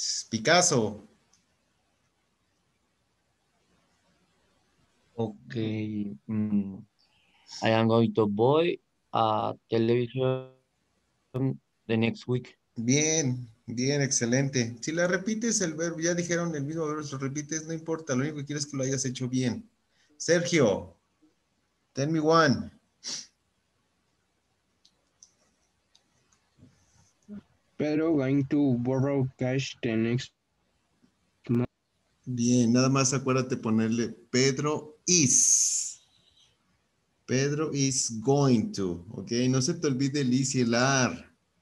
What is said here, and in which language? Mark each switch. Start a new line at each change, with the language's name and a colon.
English: Picasso. Okay. I am going to buy a television the next week.
Spanish: Bien, bien, excelente. Si la repites el verbo, ya dijeron el mismo verbo, si lo repites, no importa. Lo único que quiero es que lo hayas hecho bien.
English: Sergio, tell me one. Pero going to borrow cash the next month.
Spanish: Bien, nada más acuérdate ponerle
English: Pedro is. Pedro is going to.
Spanish: Ok, no se te olvide el is y el ar.